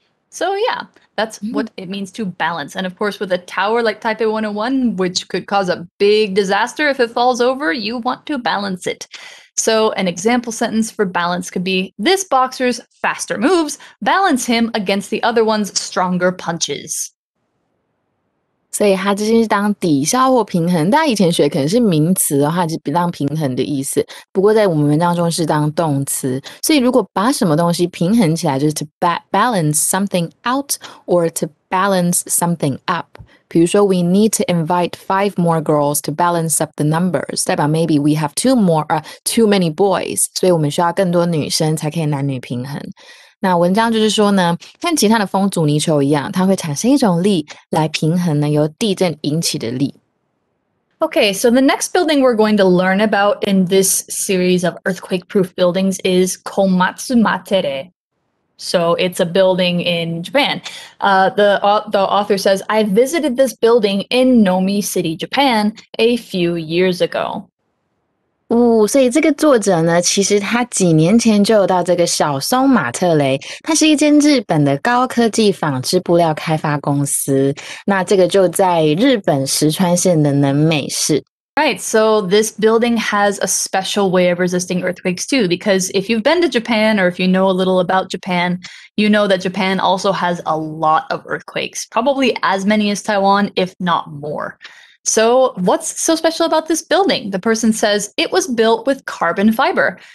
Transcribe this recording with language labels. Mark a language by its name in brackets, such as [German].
[English] So yeah, that's what it means to balance. And of course, with a tower like Taipei 101, which could cause a big disaster if it falls over, you want to balance it. So an example sentence for balance could be, this boxer's faster moves balance him against the other one's stronger punches. [Chinese] 所以它这边是当抵消或平衡，大家以前学可能是名词的话，就是当平衡的意思，不过在我们文章中是当动词。所以如果把什么东西平衡起来，就是 [English] to balance something out or to balance something up. [Chinese] 比如说 [English] we need to invite 5 more girls to balance up the numbers, [Chinese] 代表 [English] maybe we have too many boys, [Chinese] 所以我们需要更多女生才可以男女平衡。那文章就是说呢，跟其他的风阻泥球一样，它会产生一种力来平衡呢由地震引起的力。 [English] Okay, so the next building we're going to learn about in this series of earthquake-proof buildings is Komatsumatere. So it's a building in Japan. The author says, I visited this building in Nomi City, Japan, a few years ago. [Chinese] 哦，所以这个作者呢，其实他几年前就有到这个小松马特雷，它是一间日本的高科技纺织布料开发公司。那这个就在日本石川县的能美市。 [English] Right, so this building has a special way of resisting earthquakes too, because if you've been to Japan or if you know a little about Japan, you know that Japan also has a lot of earthquakes, probably as many as Taiwan, if not more. So what's so special about this building? The person says it was built with carbon fiber.